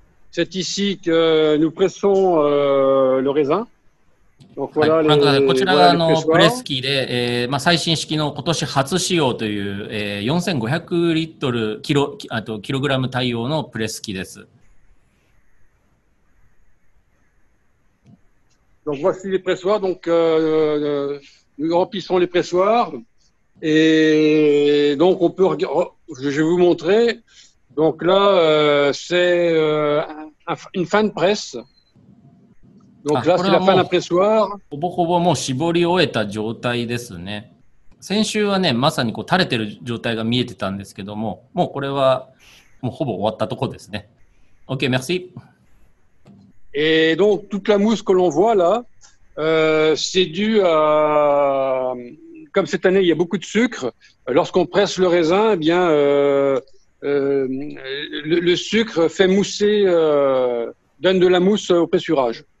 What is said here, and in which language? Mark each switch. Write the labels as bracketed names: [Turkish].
[French] C'est ici que nous pressons le raisin. Donc voilà les pressoirs. [Japanese] こちらがプレス機で、まあ、最新式の今年初使用という、4500リットルキロ、あとキログラム対応のプレス機です。 [French] Donc voici les pressoirs. Donc nous remplissons les pressoirs et donc on peut je vais vous montrer. Donc là c'est une fin de presse. Donc là c'est la fin d'un pressoir. [Japanese] ほぼほぼもう絞り終えた状態ですね。先週はねまさにこう垂れてる状態が見えてたんですけども、もうこれはもうほぼ終わったとこですね。 [French] OK, merci. Et donc, toute la mousse que l'on voit là, c'est dû à... Comme cette année, il y a beaucoup de sucre. Lorsqu'on presse le raisin, eh bien, le sucre fait mousser, donne de la mousse au pressurage.